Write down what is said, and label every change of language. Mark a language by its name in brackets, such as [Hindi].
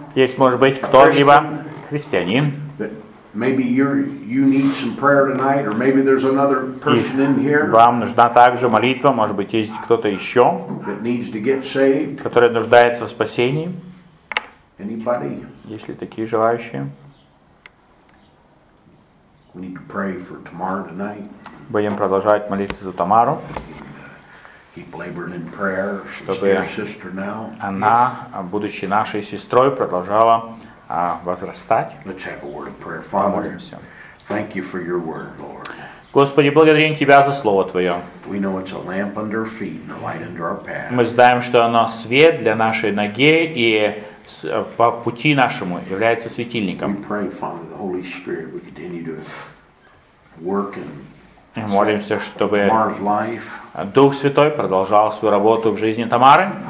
[Russian] Есть, может быть, кто-либо христианин? [English] Maybe you need some prayer tonight, or maybe there's another person in here. [Russian] Вам нужна также молитва, может быть, есть кто-то еще, [English] that needs to get saved. [Russian] Который нуждается в спасении. [English] Anybody? [Russian] Есть ли такие желающие? [English] We need to pray for tomorrow tonight. [Russian] Будем продолжать молиться за Тамару. [English] Keep laboring in prayer. [Russian] Чтобы [English] sister now. [Russian] Она, будучи нашей сестрой, продолжала. Возрастать. [English] Let's have a word of prayer. Father, thank you for your word, Lord. [Russian] Господи, благодарим Тебя за Слово Твое. [English] We know it's a lamp under our feet and a light under our path. [Russian] Мы знаем, что оно свет для нашей ноги и по пути нашему является светильником. [English] We pray, Father, the Holy Spirit would continue to work in [Russian] И молимся, чтобы Дух Святой продолжал свою работу в жизни Тамары.